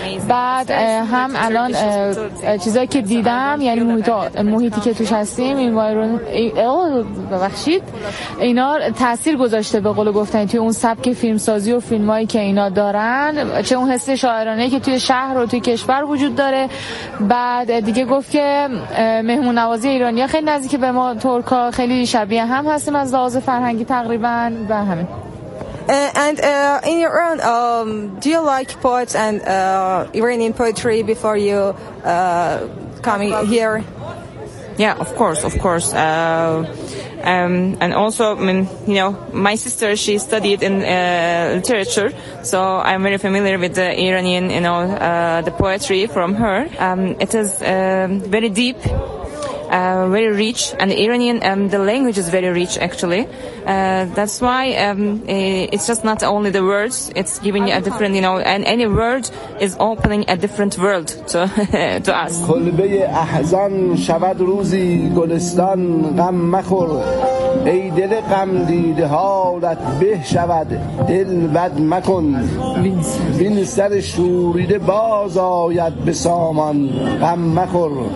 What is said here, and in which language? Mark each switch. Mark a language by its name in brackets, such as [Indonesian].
[Persian] بعد هم الان چیزایی که دیدم، یعنی محیطی که توش هستیم، این وایرون ببخشید، اینا تاثیر گذاشته به قول گفتن توی اون سبک فیلمسازی و فیلمایی که اینا دارن، چه اون حس شاعرانه که توی شهر و توی کشور وجود داره. بعد دیگه گفت که مهمون نوازی ایرانی ها خیلی نزدیک به ما ترکا، خیلی شبیه هم هستیم از لحاظ فرهنگی تقریبا و همین. [English] And in your own, do you like poets and Iranian poetry before you coming here? Yeah, of course, of course. And also, I mean, you know, my sister, she studied in literature, so I'm very familiar with the Iranian, you know, the poetry from her. It is very deep, very rich, and the Iranian, the language is very rich, actually. That's why it's just not only the words, it's giving you a different, you know, and any word is opening a different world to to us. [Persian] کلبه احزان شود روزی گلستان، غم مخور ای دل غم دیده، حالت به شود دل بد مکن، بین سر شوریده باز آید به سامان، غم مخور